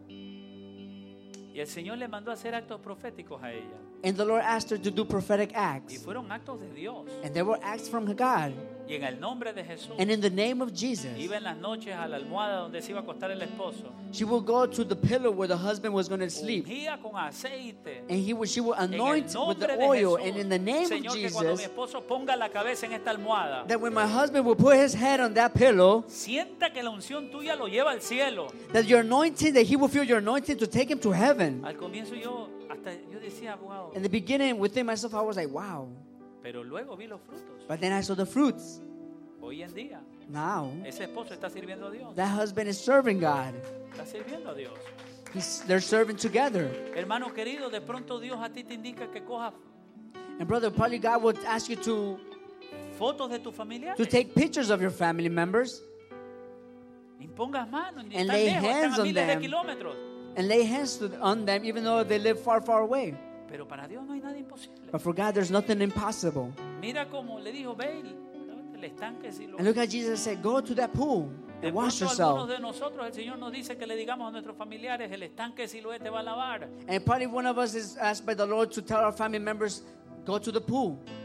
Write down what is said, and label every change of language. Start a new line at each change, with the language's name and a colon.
Spanish: Y el Señor le mandó a hacer actos proféticos a ella.
English: And the Lord asked her to do prophetic acts.
Spanish: Y fueron actos de Dios.
English: And they were acts from God.
Spanish: Y en el nombre de Jesús.
English: And in the name of Jesus.
Spanish: Iba en las noches a la almohada donde se iba a acostar el esposo.
English: She would go to the pillow where the husband was going to sleep.
Spanish: Ungía con aceite.
English: And she would anoint with the oil.
Spanish: Jesús.
English: And in the name
Spanish: Señor,
English: of Jesus.
Spanish: Que cuando mi esposo ponga la cabeza en esta almohada.
English: That when my husband would put his head on that pillow.
Spanish: Sienta que la unción tuya lo lleva al cielo.
English: That your anointing, that he will feel your anointing to take him to heaven.
Spanish: Al comienzo yo hasta yo decía, wow.
English: In the beginning, within myself, I was like, wow.
Spanish: Pero luego vi los frutos.
English: But then I saw the fruits.
Spanish: Hoy en día,
English: now,
Spanish: ese esposo está sirviendo a Dios.
English: That husband is serving God.
Spanish: Está sirviendo a Dios.
English: They're serving together.
Spanish: Hermano querido, de pronto Dios a ti te indica que coja.
English: And brother, probably God would ask you to
Spanish: fotos de tu familia.
English: To take pictures of your family members.
Spanish: Impongas manos.
English: And lay hands on them.
Spanish: Están a miles de kilómetros.
English: and lay hands on them, even though they live far, far away.
Spanish: Pero para Dios no hay nada imposible.
English: But for God, there's nothing impossible.
Spanish: Mira como le dijo, ve y el estanque, si lo...
English: And look at Jesus said, go to that pool and
Spanish: de
English: wash yourself.
Spanish: De nosotros, el Señor nos dice que le digamos a nuestros familiares, el estanque siluete va a lavar.
English: And probably one of us is asked by the Lord to tell our family members, go to the pool.